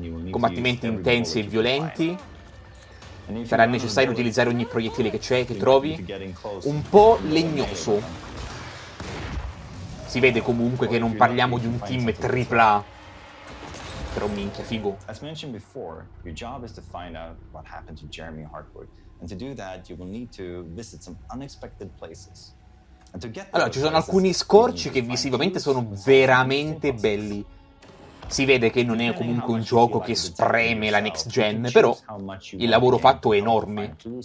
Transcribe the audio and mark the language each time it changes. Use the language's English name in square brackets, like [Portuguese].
[Italian] Combattimenti intensi e violenti. Sarà necessario utilizzare ogni proiettile che c'è, che trovi. Un po' legnoso. Si vede comunque che non parliamo di un team tripla. Però minchia, figo. [English] As mentioned before, your job is to find out what happened to Jeremy Hartwood. And to do that, you will need to visit some unexpected places. [Italian] Allora, ci sono alcuni scorci che visivamente sono veramente belli. Si vede che non è comunque un gioco che spreme la next gen, però il lavoro fatto è enorme.